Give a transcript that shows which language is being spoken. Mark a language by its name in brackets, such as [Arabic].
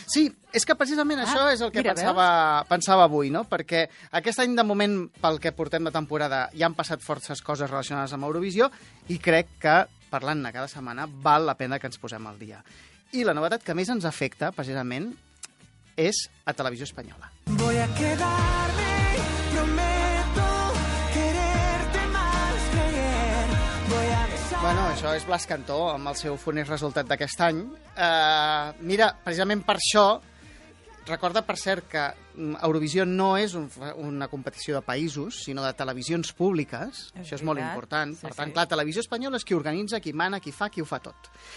[Catalan] Sí, és que precisament això és el que pensava avui, no? Perquè aquest any, de moment, pel que portem de temporada, ja han passat forces coses relacionades amb Eurovisió i crec que, parlant-ne cada setmana, val la pena que ens posem al dia. I la novetat que més ens afecta, precisament, és a Televisió Espanyola. [Spanish] Voy a quedarme, prometo quererte más que ayer. [Catalan] Bueno, això és Blas Cantó amb el seu funest resultat d'aquest any. Mira, precisament per això, recorda per cert que Eurovisió no és una competició de països, sinó de televisions públiques. És això és veritat. Molt important. Sí, per tant, clar, Televisió Espanyola és qui organitza, qui mana, qui fa, qui ho fa tot.